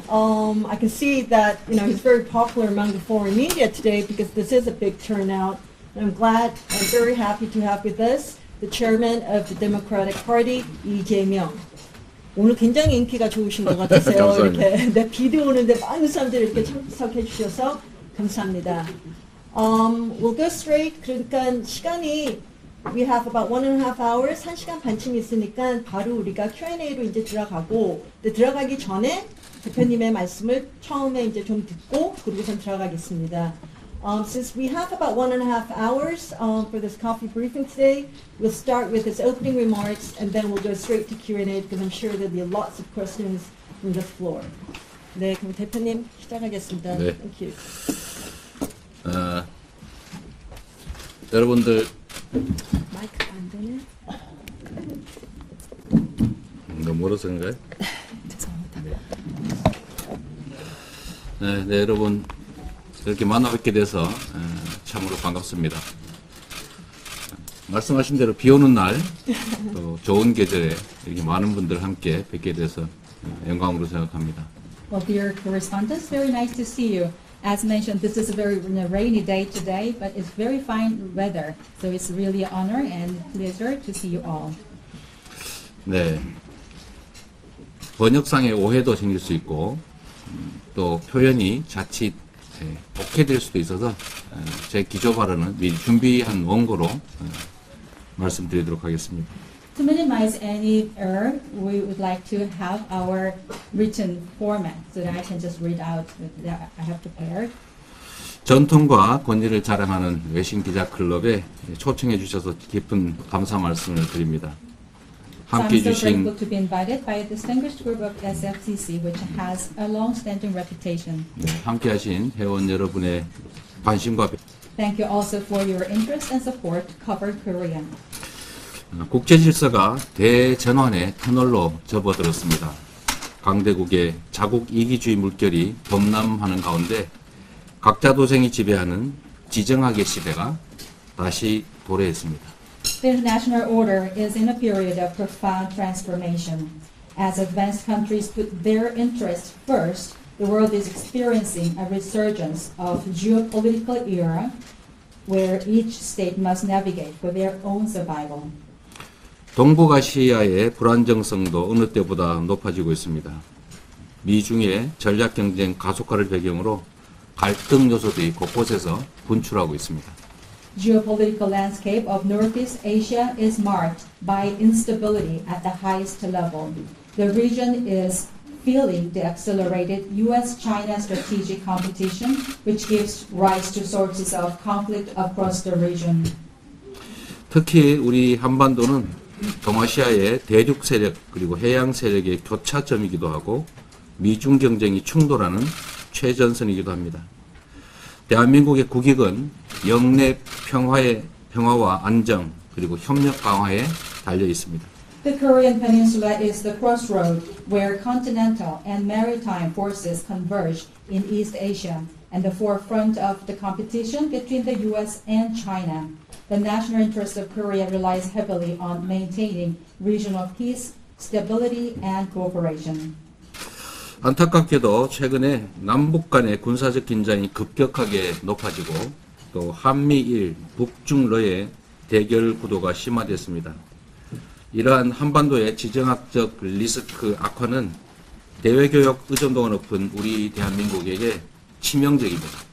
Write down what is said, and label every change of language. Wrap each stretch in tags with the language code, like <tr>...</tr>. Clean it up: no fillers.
<en>I can see that, you know, he's very popular among the foreign media today because this is a big turnout. And I'm glad, I'm very happy to have with us the chairman of the Democratic Party, Lee Jae-myung.</en> <ko>오늘 굉장히 인기가 좋으신 것 같으세요. 이렇게 네, 비도 오는데 많은 사람들이 이렇게 참석해 주셔서 감사합니다. We'll go straight. 그러니까 시간이 We have about 1.5 hours, 1시간 반쯤 있으니까 바로 우리가 Q&A로 이제 들어가고 근데 들어가기 전에 대표님의 말씀을 처음에 이제 좀 듣고 그리고선 들어가겠습니다.</ko> <en>Since we have about 1.5 hours for this coffee briefing today, we'll start with his opening remarks and then we'll go straight to Q&A because I'm sure there'll be lots of questions from the floor.</en> <ko>네, 그럼 대표님 시작하겠습니다. 네.</ko> <en>Thank you.</en> <ko>여러분들 마이크 안 되네. 너무 멀어서인가요? 죄송합니다. 네. 네, 네, 여러분 이렇게 만나 뵙게 돼서 참으로 반갑습니다. 말씀하신 대로 비 오는 날 또 좋은 계절에 이렇게 많은 분들 함께 뵙게 돼서 영광으로 생각합니다.</ko> <en>Well, dear correspondents, very nice to see you. As mentioned, this is a very rainy day today, but it's very fine weather. So it's really an honor and pleasure to see you all.</en> <ko>네. 번역상의 오해도 생길 수 있고, 또 표현이 자칫 복해될 수도 있어서 제 기조 발언은 미리 준비한 원고로 말씀드리도록 하겠습니다.</ko> <en>To minimize any error, we would like to have our written format so that I can just read out that I have prepared.</en> <ko>전통과 권위를 자랑하는 외신 기자 클럽에 초청해 주셔서 깊은 감사 말씀을 드립니다. 함께 주신</ko> <en>So I'm so grateful to be invited by a distinguished group of SFCC which has a long-standing reputation.</en> <ko>함께 하신 회원 여러분의 관심과</ko> <en>Thank you also for your interest and support to cover Korea.</en> <ko>국제 질서가 대전환의 터널로 접어들었습니다. 강대국의 자국 이기주의 물결이 범람하는 가운데 각자 도생이 지배하는 지정학의 시대가 다시 도래했습니다.</ko> <en>The international order is in a period of profound transformation. As advanced countries put their interests first, the world is experiencing a resurgence of geopolitical era where each state must navigate for their own survival.</en> <ko>동북아시아의 불안정성도 어느 때보다 높아지고 있습니다. 미중의 전략 경쟁 가속화를 배경으로 갈등 요소들이 곳곳에서 분출하고 있습니다.</ko> <en>Geopolitical landscape of Northeast Asia is marked by instability at the highest level. The region is feeling the accelerated U.S.-China strategic competition, which gives rise to sources of conflict across the region.</en> <ko>특히 우리 한반도는 동아시아의 대륙 세력 그리고 해양 세력의 교차점이기도 하고 미중 경쟁이 충돌하는 최전선이기도 합니다. 대한민국의 국익은 영내 평화의 평화와 안정 그리고 협력 강화에 달려 있습니다.</ko> <en>The Korean Peninsula is the crossroad where continental and maritime forces converge in East Asia and the forefront of the competition between the U.S. and China. The national interest of Korea relies heavily on maintaining regional peace, stability, and cooperation.</en> <ko>안타깝게도 최근에 남북 간의 군사적 긴장이 급격하게 높아지고 또 한미일, 북중러의 대결 구도가 심화됐습니다. 이러한 한반도의 지정학적 리스크 악화는 대외교역 의존도가 높은 우리 대한민국에게 치명적입니다.</ko>